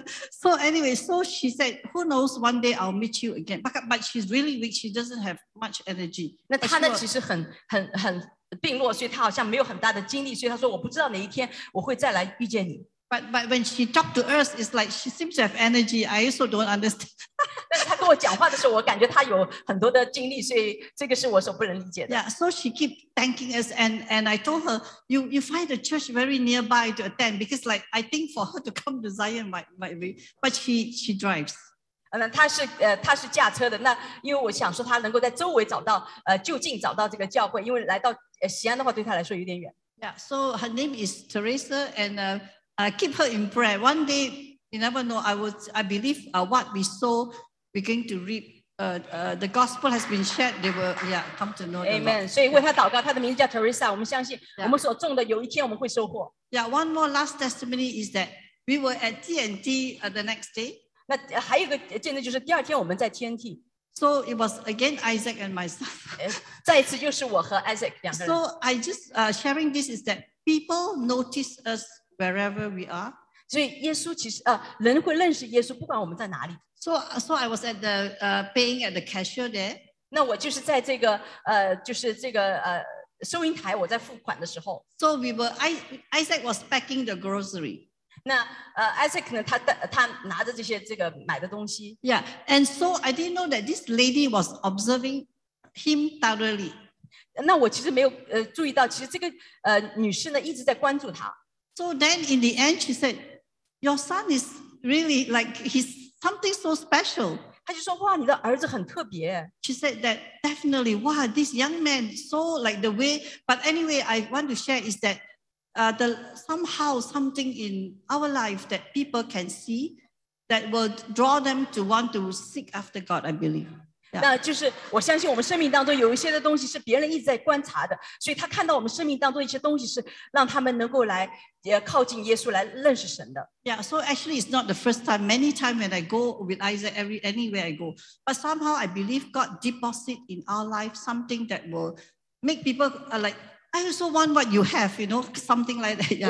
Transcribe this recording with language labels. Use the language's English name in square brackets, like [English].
[English] So she said, who knows, one day I'll meet you again. But she's really weak, she doesn't have much energy. [Chinese] 那她呢其实很病弱，所以她好像没有很大的精力，所以她说我不知道哪一天我会再来遇见你。 [English] But when she talked to us, it's like she seems to have energy, I also don't understand. [Chinese] 但是她跟我讲话的时候，我感觉她有很多的精力，所以这个是我所不能理解的。 [English] Yeah, so she keep thanking us, and I told her, you find a church very nearby to attend, because like, I think for her to come to Zion might be, but she drives. [Chinese] 她是驾车的，那因为我想说她能够在周围找到，就近找到这个教会，因为来到西安的话对她来说有点远。 [English] Yeah, so her name is Teresa, and keep her in prayer. One day, you never know, I believe what we sow, we're going to reap. The gospel has been shared, they will come to know the Lord. Amen. [Chinese] 所以为她祷告，她的名字叫 Teresa, 我们相信我们所种的有一天我们会收获。 [English] Yeah, one more last testimony is that we were at TNT the next day. [Chinese] 那还有一个见证就是第二天我们在 TNT。 [English] So it was again Isaac and myself. [Chinese] 再一次就是我和 Isaac 两个人。 [English] So I just sharing this is that people notice us,Wherever we are, [Chinese] 所以耶稣其实人会认识耶稣，不管我们在哪里。 [English] So I was at the paying at the cashier there. [Chinese] 那我就是在这个就是这个收银台我在付款的时候。 [English] So we were, Isaac was packing the grocery. [Chinese] 那Isaac 呢他拿着这些这个买的东西。 [English] Yeah, and so I didn't know that this lady was observing him thoroughly. [Chinese] 那我其实没有注意到其实这个女士呢一直在关注他。 [English] So then in the end she said, your son is really like he's something so special. [Chinese] 他就说哇你的儿子很特别。 [English] She said that definitely, wow, this young man, so like the way, but anyway, I want to share is that somehow something in our life that people can see that will draw them to want to seek after God, I believe.、 [Chinese] Yeah. 那就是我相信我们生命当中有一些的东西是别人一直在观察的所以他看到我们生命当中一些东西是让他们能够来靠近耶稣来认识神的 [English] Yeah, so actually it's not the first time. Many times when I go with Isaac anywhere I go. But somehow I believe God deposit in our life something that will make people like, I also want what you have, you know, something like that.、Yeah.